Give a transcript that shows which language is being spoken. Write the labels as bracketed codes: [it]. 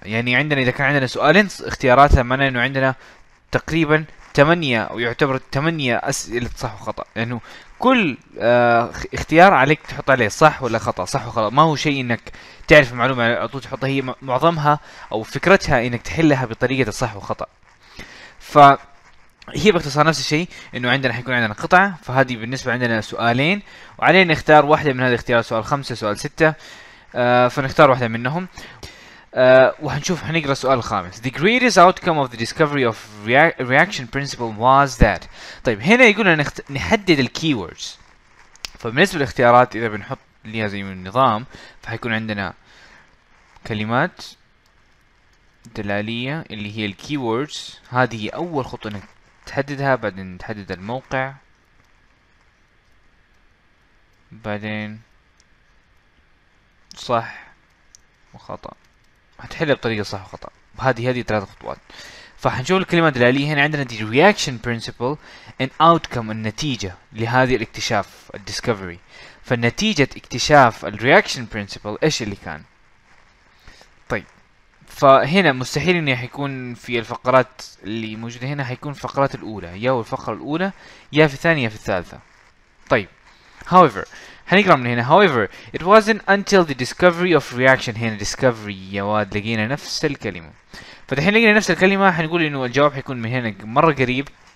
[ar] يعني عندنا اذا كان عندنا سؤالين اختياراتها معناه انه عندنا تقريبا 8 ويعتبر 8 أسئلة صح وخطأ، لانه يعني كل اختيار عليك تحط عليه صح ولا خطأ، صح وخطأ. ما هو شيء انك تعرف المعلومة على طول تحطها، هي معظمها او فكرتها انك تحلها بطريقة الصح وخطأ. هي باختصار نفس الشيء، انه عندنا حيكون عندنا قطعة، فهذه بالنسبة عندنا سؤالين وعلينا نختار واحدة من هذه الاختيارات، سؤال 5 سؤال 6، فنختار واحدة منهم. وحنشوف، حنقرأ السؤال الخامس. [en] The greatest outcome of the discovery of reaction principle was that. [ar] طيب هنا يقولنا نحدد الكيوردز، فبالنسبة للاختيارات اذا بنحط ليها زي من النظام، فحيكون عندنا كلمات دلالية اللي هي الكيوردز. هذه هي اول خطوة انك تحددها، بعدين تحدد الموقع، بعدين صح وخطأ، هتحلها بطريقة صح وخطأ. هذه ثلاث خطوات. فحنشوف الكلمة الدلالية، هنا عندنا دي [en] reaction principle and outcome، [ar] النتيجة لهذه الاكتشاف الديسكفري. فالنتيجة اكتشاف الرياكشن principle ايش اللي كان؟ طيب فهنا مستحيل ان يكون في الفقرات اللي موجوده هنا، هيكون الفقرات الاولى، يا هو الفقره الاولى يا في الثانيه في الثالثه. طيب however، هنقرا من هنا. [en] however it wasn't until the discovery of reaction. [ar] هنا discovery يا واد، لقينا نفس الكلمه. فدحين لقينا نفس الكلمه، حنقول انه الجواب حيكون من هنا مره قريب.